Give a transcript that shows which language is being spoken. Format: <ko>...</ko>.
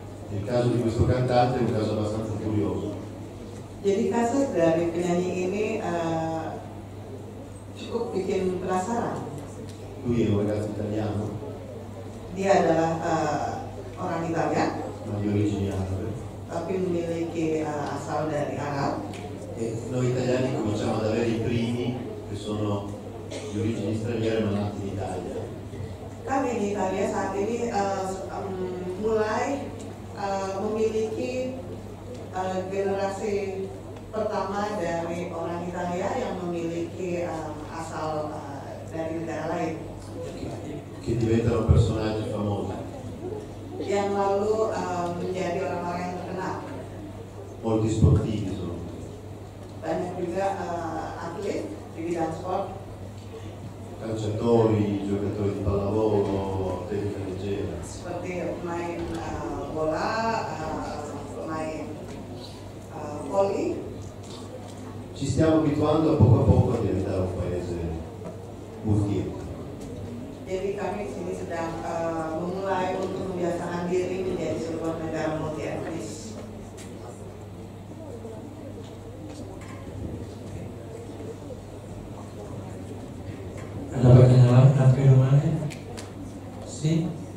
<it>Il caso di questo cantante è un caso abbastanza curioso.</it> <id>Jadi kasus dari penyanyi ini cukup bikin penasaran.</id> <it>Lui è un ragazzo italiano.</it> <id>Dia adalah orang Italia.</id> <it>Ma di origine araba.</it> <id>Tapi memiliki asal dari Arab.</id> <it>Noi italiani cominciamo ad avere i primi che sono di origini straniere ma nati in Italia.</it> <id>Kami di Italia saat ini mulai memiliki generasi pertama dari orang Italia yang memiliki asal dari negara lain.</id> <it>Che diventano personaggi famosi.</it> <id>Yang lalu menjadi orang-orang yang</id> <it>molti sportivi sono.</it> <id>Banyak juga atlet di bidang sport.</id> <it>Calciatori, giocatori di pallavolo, atletica leggera.</it> <id>Seperti pemain bola, pemain volley.</id> <it>Ci stiamo abituando a poco a diventare un paese multietnico.</it> <id>Jadi kami sini sedang memulai untuk membiasakan diri menjadi sebuah negara multietnis. Ada pertanyaan lain, Andre Romane? Si?</id>